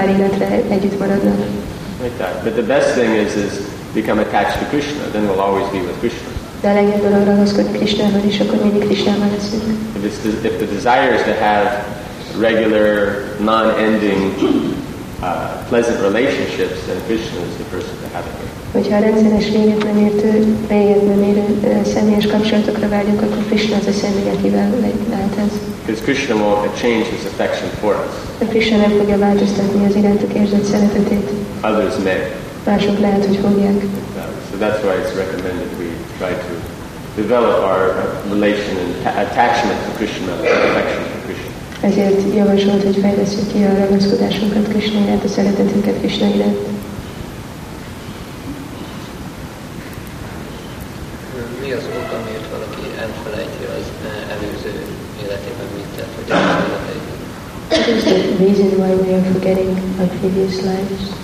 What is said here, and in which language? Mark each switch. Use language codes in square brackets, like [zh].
[en] Like that. But the best thing is become attached to Krishna, then we'll always be with Krishna. [hu] De a legjobb dolog ragaszkodni Krisnával, és akkor mindig Krisnával leszünk. [en] If the desire is to have regular, non-ending, pleasant relationships, then Krishna is the person to have it here. [hu] Hogyha rendszeres, végetlenül érő személyes kapcsolatokra vágyunk, akkor Krishna az a személy, akivel lehet ez. [en] Because Krishna won't change his affection for us. [hu] De Krishna nem fogja változtatni az irántuk érzett szeretetét. [en] Others may. [hu] Mások lehet, hogy fogják. [en] So that's why it's recommended we try to develop our relation and attachment to Krishna, affection to Krishna. [hu] Ezért javasolt, hogy fejlesszük ki a ragaszkodásunkat Krishna iránt, a szeretetünket Krishna iránt. Mi az oka, miért valaki elfelejti az előző életében mit tett, hogy az életében? [en] What is the reason why we are forgetting our previous lives?